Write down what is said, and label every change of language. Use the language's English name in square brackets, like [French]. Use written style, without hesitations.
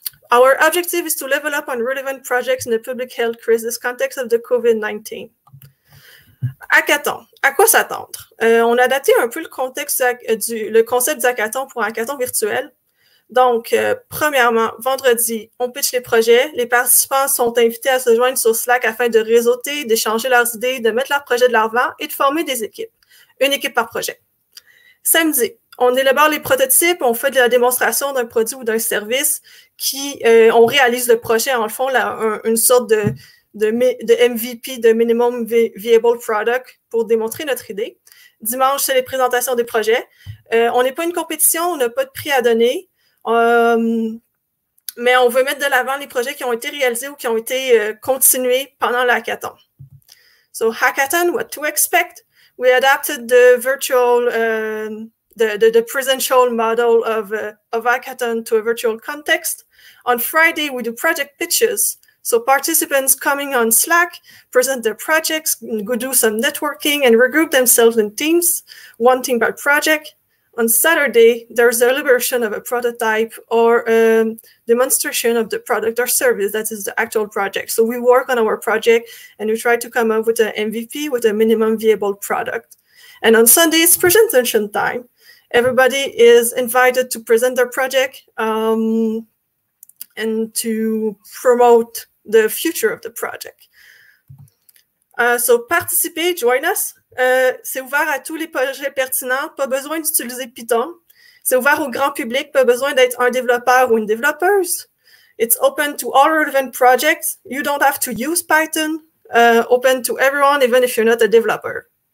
[English] Our objective is to level up on relevant projects in the public health crisis context of the COVID-19. [French] Hackathon. À quoi s'attendre? On a adapté un peu le contexte le concept du hackathon pour un hackathon virtuel. Donc, premièrement, vendredi, on pitch les projets. Les participants sont invités à se joindre sur Slack afin de réseauter, d'échanger leurs idées, de mettre leurs projets de l'avant et de former des équipes. Une équipe par projet. Samedi, on élabore les prototypes, on fait de la démonstration d'un produit ou d'un service qui, on réalise le projet, en le fond, une sorte de MVP, de Minimum Viable Product, pour démontrer notre idée. Dimanche, c'est les présentations des projets. On n'est pas une compétition, on n'a pas de prix à donner, mais on veut mettre de l'avant les projets qui ont été réalisés ou qui ont été continués pendant l'hackathon. [English] So, hackathon, what to expect? We adapted the virtual, the presential model of hackathon to a virtual context. On Friday, we do project pitches. So participants coming on Slack present their projects, go do some networking and regroup themselves in teams, one team by project. On Saturday, there's the elaboration of a prototype or demonstration of the product or service that is the actual project. So we work on our project and we try to come up with an MVP with a minimum viable product. And on Sunday, it's presentation time. Everybody is invited to present their project and to promote the future of the project. [French] Participer, [English] join us. [French] C'est ouvert à tous les projets pertinents, pas besoin d'utiliser Python. C'est ouvert au grand public, pas besoin d'être un développeur ou une développeuse. [English] It's open to all relevant projects. You don't have to use Python. Open to everyone, even if you're not a developer.